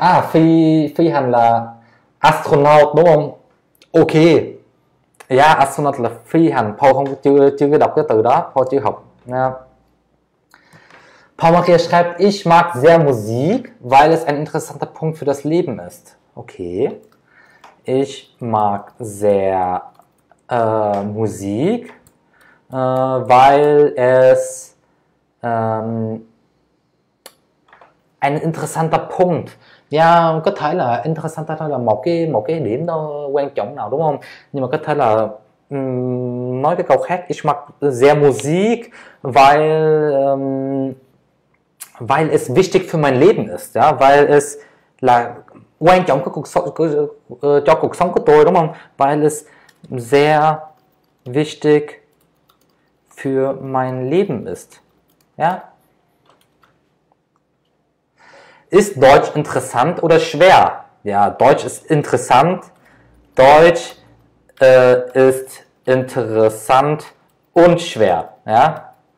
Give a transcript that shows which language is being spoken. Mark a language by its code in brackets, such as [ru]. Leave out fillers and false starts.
[vi] Phi phi hành là astronaut đúng không? Ok. Astronaut là phi hành. Paul không chưa chưa đọc cái từ đó, Paul chưa học. [de] Paul Maria schreibt: Ich mag sehr Musik, weil es ein interessanter Punkt für das Leben ist. Okay. Ich mag sehr Musik, weil es ein interessanter Punkt [vi] Yeah, có thể là interessant thôi là một cái điểm đó quan trọng nào đúng không? Nhưng mà có thể là nói cái câu khác, [de] ich mag sehr Musik, weil es wichtig für mein Leben ist, [vi] ja, [de] weil es [vi] là quan trọng của cuộc sống cho cuộc sống của tôi đúng không? [de] Weil es sehr wichtig für mein Leben ist. Ja? Ist Deutsch interessant oder schwer? Ja, Deutsch ist interessant. Deutsch ist interessant und schwer. Ja?